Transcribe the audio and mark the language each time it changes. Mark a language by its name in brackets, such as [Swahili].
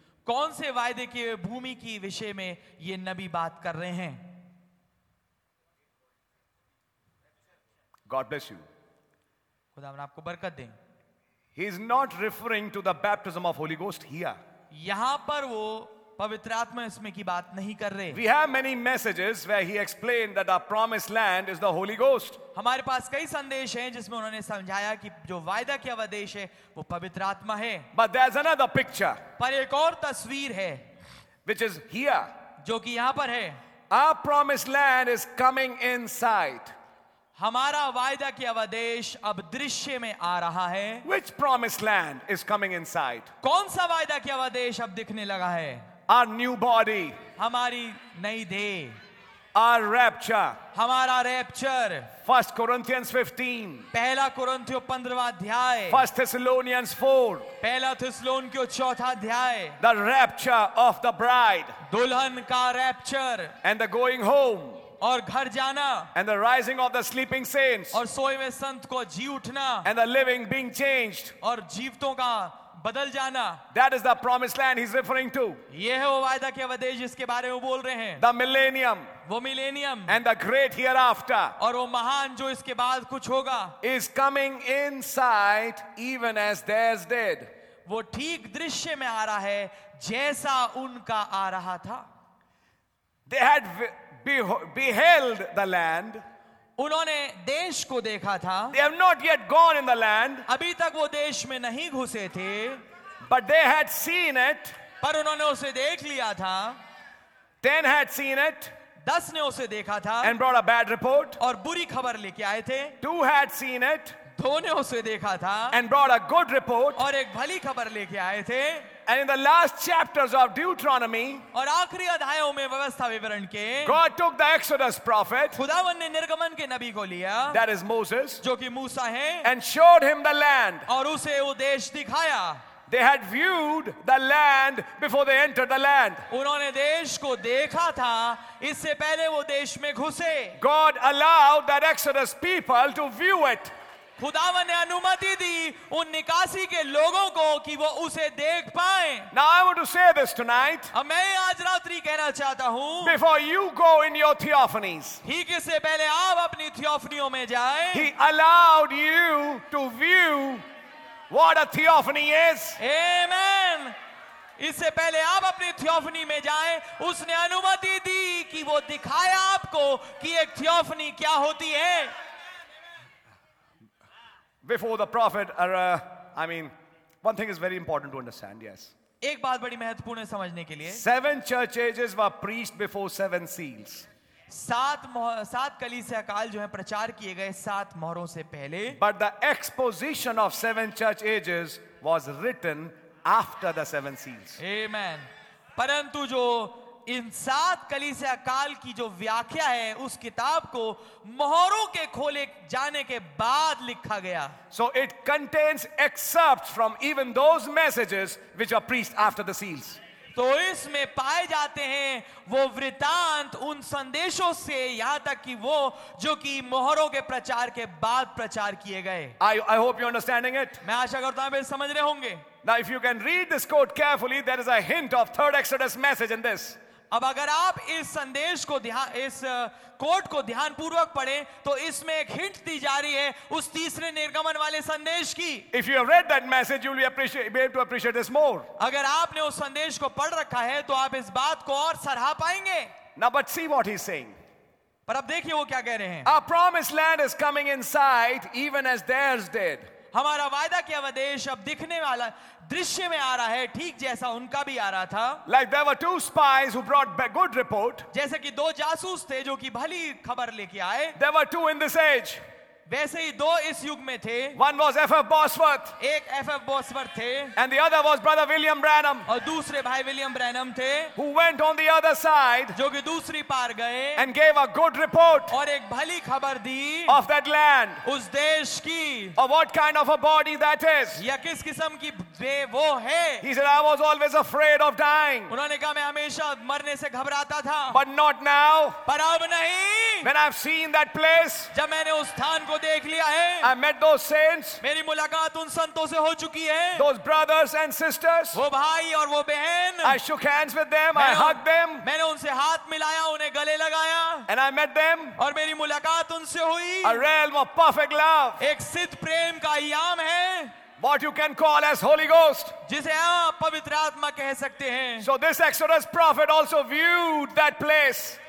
[Hindi] कौन से वायदे की भूमि की विषय में ये नबी बात कर रहे हैं? [English] God bless you. [Hindi] खुदावन्द आपको बरकत दें. [English] He is not referring to the baptism of Holy Ghost here. [Hindi] यहां पर वो पवित्र आत्मा इसमें की बात नहीं कर रहे. [English] We have many messages where he explained that our promised land is the Holy Ghost. [Hindi] हमारे पास कई संदेश हैं जिसमें उन्होंने समझाया कि जो वायदा किया हुआ देश है वो पवित्र आत्मा है. [English] But there's another picture. [Hindi] पर एक और तस्वीर है. [English] Which is here. [Hindi] जो कि यहां पर है. [English] Our promised land is coming in sight. [Hindi] हमारा वायदा की अवदेश अब दृश्य में आ रहा है. [English] Which promised land is coming in sight? [Hindi] कौन सा वायदा की अवदेश अब दिखने लगा है? [English] Our new body. [Hindi] हमारी नई देह. [English] Our rapture. [Hindi] हमारा रैप्चर. [English] 1 Corinthians 15. [Hindi] पहला कुरिन्थियों 15वां अध्याय. [English] 1 Thessalonians 4. [Hindi] पहला थिस्सलुनीकियों 4वां अध्याय. [English] The rapture of the bride. [Hindi] दुल्हन का rapture. [English] And the going home. [Hindi] और घर जाना. [English] And the rising of the sleeping saints. [Hindi] और सोए हुए संत को जी उठना. [English] And the living being changed. [Hindi] और जीवितों का बदल जाना. [English] That is the promised land he's referring to. [Hindi] ये है वो वायदा के अवदेश जिसके बारे में बोल रहे हैं. [English] The millennium. [Hindi] वो millennium. [English] And the great hereafter. [Hindi] और वो महान जो इसके बाद कुछ होगा. [English] Is coming in sight even as theirs did. [Hindi] वो ठीक दृश्य में आ रहा है जैसा उनका आ रहा था. [English] They had beheld the land. [Hindi] उन्होंने देश को देखा था. [English] They have not yet gone in the land. [Hindi] अभी तक वो देश में नहीं घुसे थे. [English] But they had seen it. [Hindi] पर उन्होंने उसे देख लिया था. [English] 10 had seen it. [Hindi] 10 ने उसे देखा था. [English] And brought a bad report. [Hindi] और बुरी खबर लेके आए थे. [English] 2 had seen it. [Hindi] 2 ने उसे देखा था. [English] And brought a good report. [Hindi] और एक भली खबर लेके आए थे. [English] And in the last chapters of Deuteronomy, [Hindi] और आखिरी अध्यायों में व्यवस्था विवरण के, [English] God took the Exodus prophet, [Hindi] खुदावन ने निर्गमन के नबी को लिया, [English] that is Moses, [Hindi] जो कि मूसा है, [English] and showed him the land, [Hindi] और उसे वो देश दिखाया. [English] They had viewed the land before they entered the land. [Hindi] उन्होंने देश को देखा था इससे पहले वो देश में घुसे. [English] God allowed that Exodus people to view it. [Hindi] खुदावन ने अनुमति दी उन निकासी के लोगों को कि वो उसे देख पाएं. [English] Now I want to say this tonight. [Hindi] मैं आज रात्रि कहना चाहता हूं. [English] Before you go in your theophanies. [Hindi] ठीक इससे पहले आप अपनी थियोफनियों में जाएं. [English] He allowed you to view what a theophany is. Amen. [Hindi] इससे पहले आप अपनी थियोफनी में जाएं, उसने अनुमति दी कि वो दिखाए आपको कि एक थियोफनी क्या होती है. [English] Before the prophet, one thing is very important to understand, yes. [Hindi] एक बात बड़ी महत्वपूर्ण है समझने के लिए. [English] Seven churches were preached before seven seals. [Hindi] सात कलीसिया काल जो है प्रचार किए गए सात मोहरों से पहले. [English] But the exposition of seven church ages was written after the seven seals. Amen. [Hindi] परंतु जो इन सात कलीसिया काल की जो व्याख्या है उस किताब को मोहरों के खोले जाने के बाद लिखा गया. [English] So it contains excerpts from even those messages which are preached after the seals. [Hindi] तो इसमें पाए जाते हैं वो वृतांत उन संदेशों से, यहां तक कि वो जो कि मोहरों के प्रचार के बाद प्रचार किए गए. [English] I hope you understanding it. [Hindi] मैं आशा करता हूं आप समझ रहे होंगे. [English] Now, if you can read this quote carefully, there is a hint of third Exodus message in this. [Hindi] अब अगर आप इस संदेश को ध्यान इस कोट को ध्यानपूर्वक पढ़ें तो इसमें एक हिंट दी जा रही है उस तीसरे निर्गमन वाले संदेश की. [English] If you have read that message, you will be able to appreciate this more. [Hindi] अगर आपने उस संदेश को पढ़ रखा है तो आप इस बात को और सराहा पाएंगे. [English] Now but see what he's saying. [Hindi] पर अब देखिए वो क्या कह रहे हैं. [English] Our promised land is coming in sight even as theirs did. [Hindi] हमारा वायदा किया हुआ देश अब दिखने वाला दृश्य में आ रहा है ठीक जैसा उनका भी आ रहा था. [English] Like there were two spies who brought a good report. [Hindi] जैसे कि दो जासूस थे जो कि भली खबर लेके आए. [English] There were two in this age. [Hindi] वैसे ही दो इस युग में थे. [English] One was F.F. Bosworth. [Hindi] एक F.F. Bosworth थे. [English] And the other was brother William Branham. [Hindi] और दूसरे भाई विलियम ब्रैनम थे. [English] Who went on the other side. [Hindi] जो कि दूसरी पार गए. [English] And gave a good report. [Hindi] और एक भली खबर दी. [English] Of that land. [Hindi] उस देश की. [English] Of what kind of a body that is. [Hindi] या किस किस्म की वे वो है. [English] He said, I was always afraid of dying. [Hindi] उन्होंने कहा मैं हमेशा मरने से घबराता था. [English] But not now. [Hindi] पर अब नहीं. [English] When I've seen that place. [Hindi] जब मैंने उस स्थान को देख लिया है. [English] I met those saints. [Hindi] मेरी मुलाकात उन संतों से हो चुकी है. [English] Those brothers and sisters. [Hindi] वो भाई और वो बहन. [English] I shook hands with them. I hugged them. [Hindi] मैंने उनसे हाथ मिलाया, उन्हें गले लगाया. [English] And I met them. [Hindi] और मेरी मुलाकात उनसे हुई. [English] A realm of perfect love. [Hindi] एक सिद्ध प्रेम का आयाम है. [English] What you can call as Holy Ghost. [Hindi] जिसे आप पवित्र आत्मा कह सकते हैं. [English] So this Exodus prophet also viewed that place.